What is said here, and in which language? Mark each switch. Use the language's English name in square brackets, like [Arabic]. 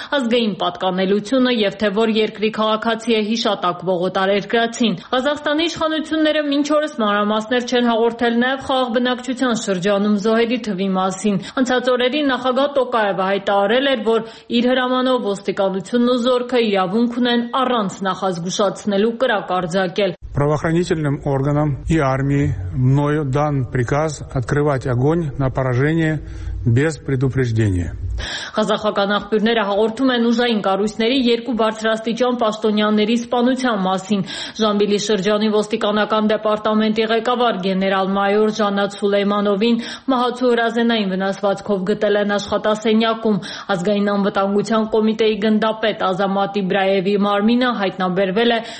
[Armenian] ազգային պատկանելությունը և թե որ երկրի քաղաքացի է հիշատակվող օտարերկրացին։ Ղազախստանի իշխանությունները մինչ օրս մանրամասներ չեն հաղորդել նաև խաղաղ բնակչության շրջանում զոհերի թվի մասին։ Անցած օրերին նախագահ Տոկաևը հայտարարել էր, որ իր հրամանով ոստիկանությունն ու զորքը իրավունք ունեն առանց նախազգուշացնելու կրակ արձակել։ [Russian] Правоохранительным органам и армии мною дан приказ открывать огонь на поражение без предупреждения. [Armenian] Ղազախական աղբյուրները հաղորդում են ուժային կառույցների երկու բարձրաստիճան պաշտոնյաների սպանության մասին։ Ժամբիլի շրջանի ոստիկանական դեպարտամենտի ղեկավար գեներալ-մայոր Ժանատ Սուլեյմանովին մահացու հրազենային վնասվածքով գտել են աշխատասենյակում։ Ազգային անվտանգության կոմիտեի գնդապետ Ազամատ Իբրայևի մարմինը հայտնաբերվել է